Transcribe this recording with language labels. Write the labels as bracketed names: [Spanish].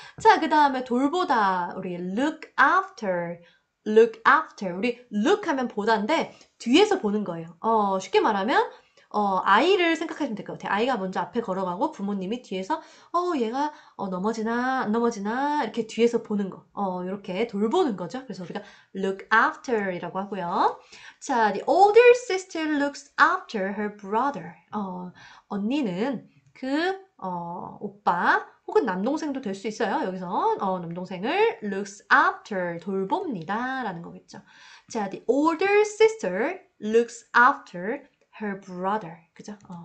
[Korean] 자, 그 다음에 돌보다. 우리 look after. look after. 우리 look 하면 보다인데, 뒤에서 보는 거예요. 쉽게 말하면, 아이를 생각하시면 될것 같아요. 아이가 먼저 앞에 걸어가고 부모님이 뒤에서 얘가 넘어지나 안 넘어지나 이렇게 뒤에서 보는 거. 이렇게 돌보는 거죠. 그래서 우리가 look after이라고 하고요. [English] 자, the older sister looks after her brother. [Korean] 언니는 그 오빠 혹은 남동생도 될수 있어요. 여기서 남동생을 looks after 돌봅니다라는 거겠죠. [English] 자, the older sister looks after her brother, [Korean] 그죠?